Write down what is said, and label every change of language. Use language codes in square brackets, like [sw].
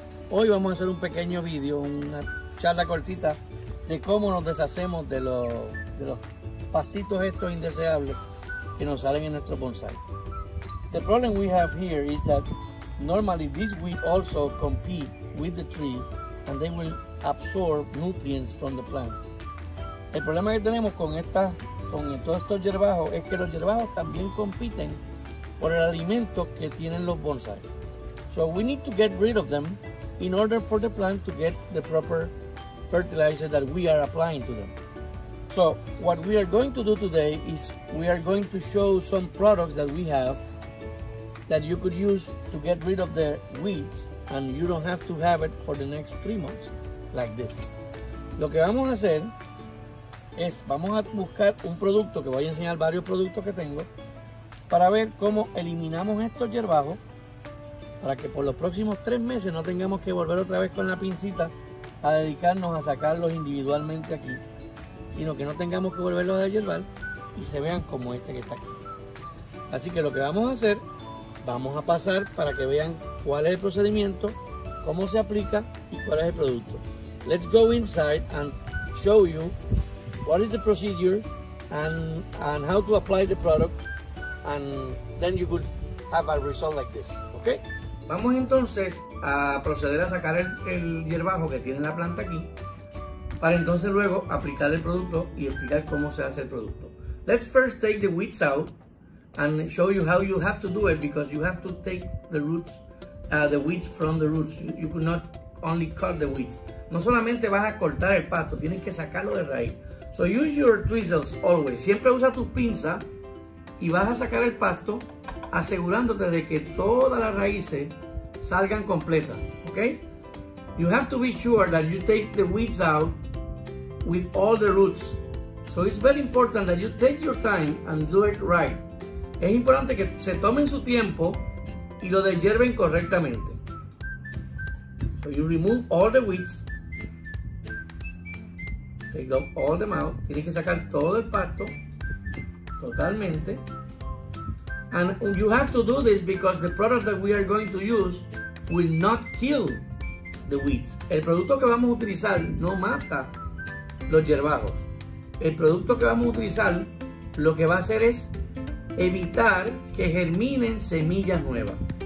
[es] Hoy vamos a hacer un pequeño video, una charla cortita de cómo nos deshacemos de los pastitos estos indeseables que nos salen en nuestro bonsai. [en] The problem we have here is that normally these weeds also compete with the tree and they will absorb nutrients from the plant. [es] El problema que tenemos con todos estos yerbajos es que los yerbajos también compiten por el alimento que tienen los bonsai. [en] So we need to get rid of them in order for the plant to get the proper fertilizer that we are applying to them. So what we are going to do today is we are going to show some products that we have that you could use to get rid of the weeds and you don't have to have it for the next 3 months like this. [es] Lo que vamos a hacer es vamos a buscar un producto que voy a enseñar varios productos que tengo para ver cómo eliminamos estos yerbajos para que por los próximos 3 meses no tengamos que volver otra vez con la pincita a dedicarnos a sacarlos individualmente aquí, sino que no tengamos que volverlos a yerbar y se vean como este que está aquí. Así que lo que vamos a hacer, vamos a pasar para que vean cuál es el procedimiento, cómo se aplica y cuál es el producto. [en] Let's go inside and show you what is the procedure and how to apply the product and then you could have a result like this, okay? [es] Vamos entonces a proceder a sacar el yerbajo que tiene la planta aquí para entonces luego aplicar el producto y explicar cómo se hace el producto. [en] Let's first take the weeds out and show you how you have to do it because you have to take the roots, the weeds from the roots. You could not only cut the weeds. [es] No solamente vas a cortar el pasto, tienes que sacarlo de raíz. [en] So use your tweezers always. [es] Siempre usa tus pinzas y vas a sacar el pasto asegurándote de que todas las raíces salgan completas, okay? [en] You have to be sure that you take the weeds out with all the roots. So it's very important that you take your time and do it right. [es] Es importante que se tomen su tiempo y lo deshierven correctamente. [en] So you remove all the weeds. Take them all them out. [es] Tienes que sacar todo el pasto totalmente. [en] And you have to do this because the product that we are going to use will not kill the weeds. [es] El producto que vamos a utilizar no mata los yerbajos. El producto que vamos a utilizar lo que va a hacer es evitar que germinen semillas nuevas.